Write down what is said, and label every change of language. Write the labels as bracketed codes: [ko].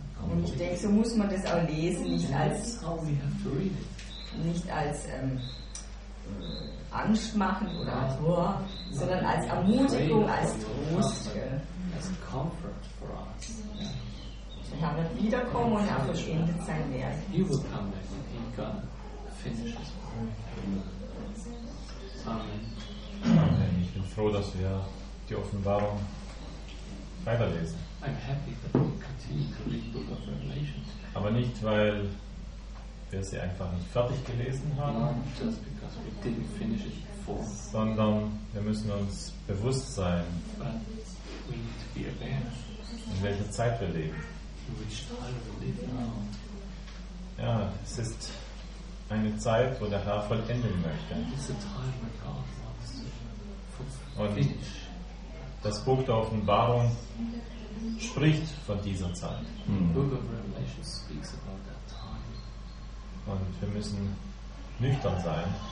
[de] Und ich denke, so muss man das auch lesen, nicht als Anschmachen oder Tor, sondern als Ermutigung, als Trost. [en] As comfort for us. [de] Er wird wiederkommen und er vollendet sein Werk. [en] He will come back and he's gonna finish his work. Amen. [de] Ich bin froh, dass wir die Offenbarung weiterlesen. [en] I'm happy that we continue to read the book of Revelation. [de] Aber nicht, weil wir sie einfach nicht fertig gelesen haben, [en] just because we didn't finish it before. [de] Sondern wir müssen uns bewusst sein, [en] we need to be aware, [de] in welcher Zeit wir leben. [en] Which time we live now. [de] Ja, es ist eine Zeit, wo der Herr vollenden möchte. [en] It's a time where God wants to finish. [de] Das Buch der Offenbarung spricht von dieser Zeit. [en] Book of Revelation speaks about that. [de] Und wir müssen nüchtern sein.